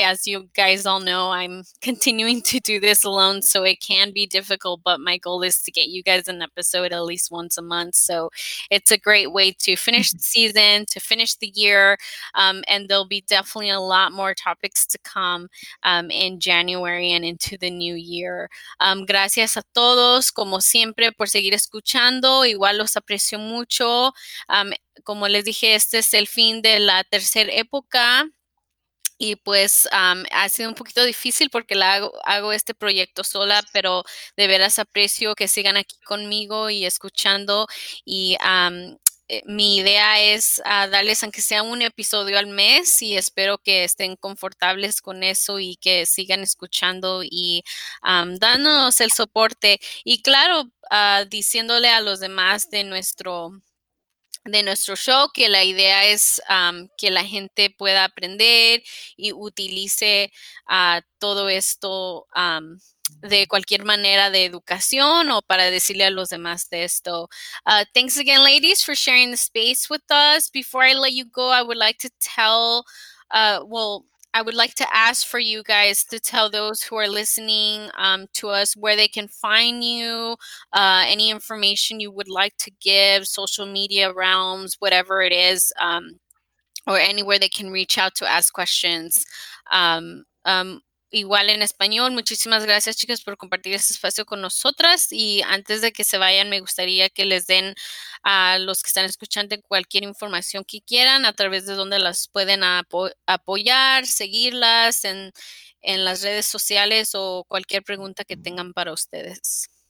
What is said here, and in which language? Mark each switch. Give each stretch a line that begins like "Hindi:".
English: As you guys all know, I'm continuing to do this alone, so it can be difficult, but my goal is to get you guys an episode at least once a month. So it's a great way to finish the season, to finish the year, and there'll be definitely a lot more topics to come in January and into the new year.
Spanish: Gracias a todos, como siempre, por seguir escuchando. Igual los aprecio mucho. Como les dije, este es el fin de la tercera época y pues ha sido un poquito difícil porque hago este proyecto sola, pero de veras aprecio que sigan aquí conmigo y escuchando. Y mi idea es darles aunque sea un episodio al mes y espero que estén confortables con eso y que sigan escuchando y dándonos el soporte. Y claro, diciéndole a los demás de nuestro show, que la idea es que la gente pueda aprender y utilice todo esto de cualquier manera de educación o para decirle a los demás de esto.
English: Thanks again, ladies, for sharing the space with us. Before I let you go, I would like to ask for you guys to tell those who are listening to us where they can find you, any information you would like to give, social media realms, whatever it is, or anywhere they can reach out to ask questions.
Spanish: Igual en español, muchísimas gracias, chicas, por compartir este espacio con nosotras. Y antes de que se vayan, me gustaría que les den a los que están escuchando cualquier información que quieran, a través de donde las pueden apoyar, seguirlas en las redes sociales o cualquier pregunta que tengan para ustedes.